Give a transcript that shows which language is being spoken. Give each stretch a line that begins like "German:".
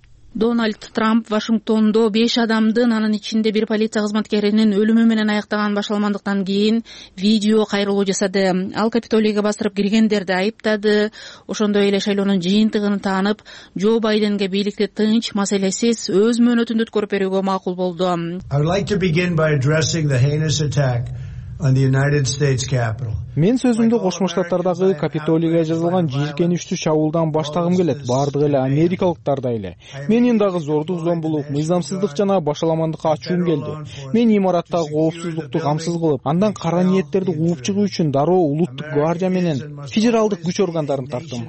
Kyrgyz: Дональд Трамп Вашингтондо 5 адамдын, анын ичинде бир полиция кызматкеринин өлүмү менен аяктаган башаламандыктан кийин видео кайрылуу жасады. Ал Капитолийге басырып киргендерди айыптады. Ошондой эле шайлоонун жыйынтыгын таанып, Джо Байденге бийликти тынч, маселесиз өз мөөнөтүндө өткөрүп берүүгө макул болду.
English: I'd like to begin by addressing the heinous attack on the United States Capitol.
Kyrgyz: Мен сөзүмдү Кошмо Штаттардагы Капитолийге жазылган жийиркеничтүү чабуулдан баштагым келет. Бардыгы эле америкалыктар да эле. Менин дагы зордук-зомбулук, мыйзамсыздык жана башаламандыкка ачуум келди. Мен имараттагы коопсуздукту камсыз кылып, андан кара ниеттерди кууп чыгуу үчүн дароо улуттук гвардия менен федералдык күч органдарын тарттым.